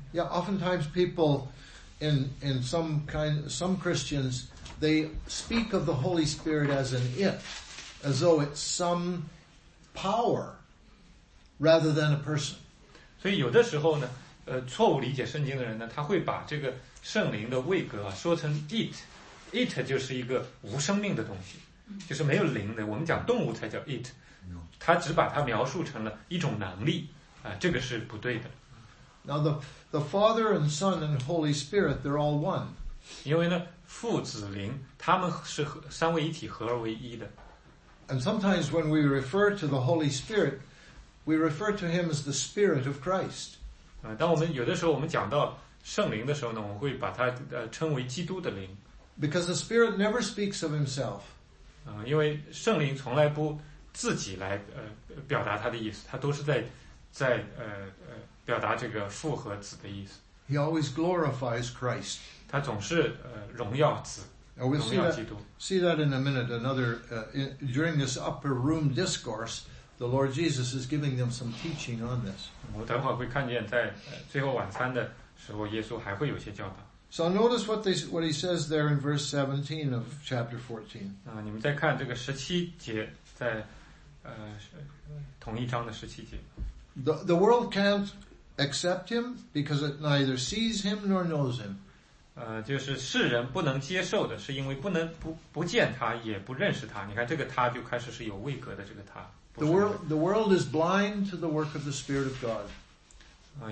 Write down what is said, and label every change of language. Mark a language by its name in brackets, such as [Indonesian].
[English] Yeah, oftentimes people in some Christians, they speak of the Holy Spirit as an it, as though it's some power rather than a person. [Chinese] 所以有的时候呢，错误理解圣经的人呢，他会把这个圣灵的位格啊说成 it。 It 就是一个无生命的东西，就是没有灵的。我们讲动物才叫 it， 它只把它描述成了一种能力，这个是不对的。 [English] Now the Father and Son and Holy Spirit, they're all one. [Chinese] 因为呢，父子灵他们是三位一体，合而为一的。 [English] And sometimes when we refer to the Holy Spirit, we refer to him as the Spirit of Christ. [Chinese] 当我们有的时候我们讲到圣灵的时候呢，我们会把它称为基督的灵。 [English] Because the Spirit never speaks of himself. [Chinese] 因为圣灵从来不自己来表达他的意思，他都是在表达这个父和子的意思。 [English] He always glorifies Christ. [Chinese] 他总是荣耀子，荣耀基督。 [English] See that in a minute. Another during this upper room discourse, the Lord Jesus is giving them some teaching on this. [Chinese] 我等会儿会看见，在最后晚餐的时候，耶稣还会有些教导。 [English] So notice what he says there in verse 17 of chapter 14. [Chinese] 你们再看这个十七节，在同一章的十七节。 [English] The world can't accept him because it neither sees him nor knows him. [Chinese] 就是世人不能接受的，是因为不见他，也不认识他。你看这个他就开始是有位格的这个他。 [English] The world is blind to the work of the Spirit of God.